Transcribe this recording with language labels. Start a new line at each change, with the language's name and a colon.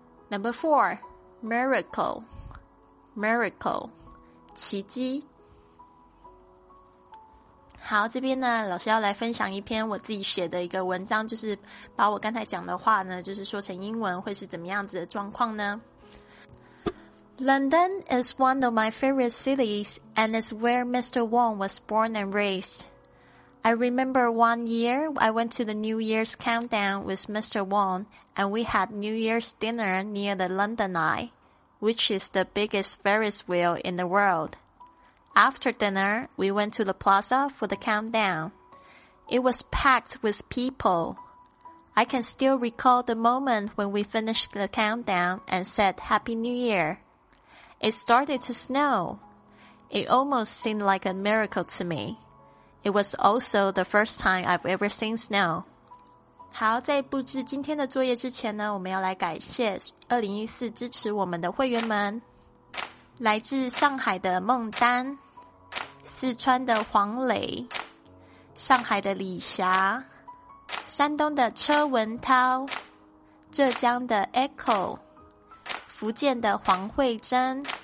English: Number four, miracle, miracle,
Chinese: 奇迹。好，这边呢，老师要来分享一篇我自己写的一个文章，就是把我刚才讲的话呢，就是说成英文，会是怎么样子的状况呢？
English: London is one of my favorite cities and is where Mr. Wong was born and raised. I remember one year I went to the New Year's countdown with Mr. Wong and we had New Year's dinner near the London Eye, which is the biggest Ferris wheel in the world. After dinner, we went to the plaza for the countdown. It was packed with people. I can still recall the moment when we finished the countdown and said Happy New Year. It started to snow. It almost seemed like a miracle to me. It was also the first time I've ever seen snow.
Chinese: 好，在布置今天的作业之前呢，我们要来感谢2014支持我们的会员们。来自上海的孟丹，四川的黄磊，上海的李霞，山东的车文涛，浙江的 Echo， 福建的黄慧珍。